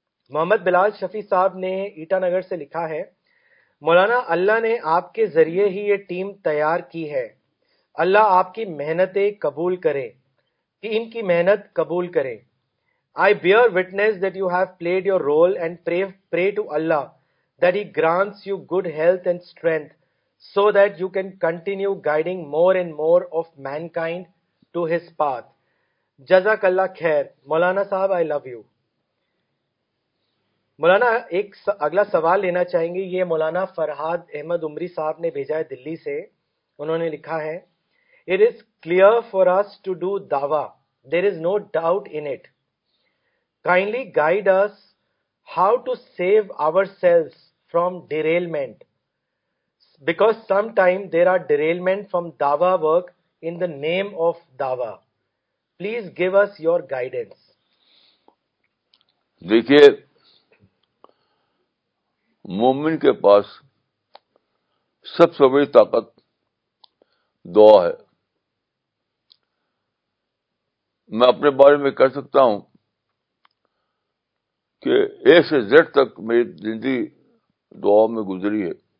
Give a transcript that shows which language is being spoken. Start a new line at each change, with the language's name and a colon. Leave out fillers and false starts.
Urdu: محمد بلال شفیع صاحب نے ایٹا نگر سے لکھا ہے مولانا اللہ نے آپ کے ذریعے ہی یہ ٹیم تیار کی ہے, اللہ آپ کی محنتیں قبول کرے, ٹیم کی محنت قبول کرے.
English: I bear witness that you have played your role and pray to Allah that he grants you good health and strength so that you can continue guiding more and more of mankind to his path.
Urdu: جزاک اللہ خیر مولانا صاحب,
English: I love you.
Urdu: مولانا ایک اگلا سوال لینا چاہیں گے, یہ مولانا فرحاد احمد عمری صاحب نے بھیجا ہے دلی سے, انہوں نے لکھا ہے
English: It is clear for us to do dawa. There is no doubt in it. Kindly guide us how to save ourselves from derailment. Because sometime there are derailment from dawa work in the name of dawa. Please give us your guidance.
Urdu: دیکھیے مومن کے پاس سب سے بڑی طاقت دعا ہے. میں اپنے بارے میں کہہ سکتا ہوں کہ اے سے زیڈ تک میری زندگی دعا میں گزری ہے.